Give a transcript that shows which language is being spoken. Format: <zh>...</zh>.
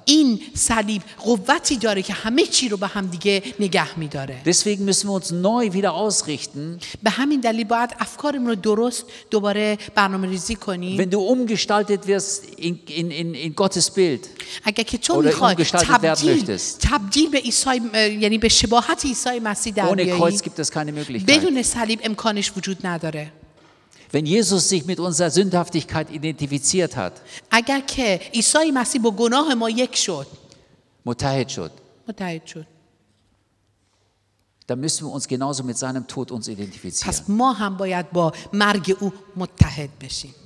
<de>Deswegen müssen wir uns neu wieder ausrichten. Wenn du umgestaltet wirst in Gottes Bild,</de> <fa>اگر که تو میخوای تبدیل به عیسی یعنی به شباهت عیسی مسیح در بیایی بدون صلیب امکانش وجود نداره</fa> <de>Wenn Jesus sich mit unserer Sündhaftigkeit identifiziert hat,</de> <fa>اگر که عیسی مسیح با گناه ما یک شد متحد شد</fa> <de>dann müssen wir uns genauso mit seinem Tod uns identifizieren.</de> <fa>پس ما هم باید با مرگ او متحد بشیم</fa>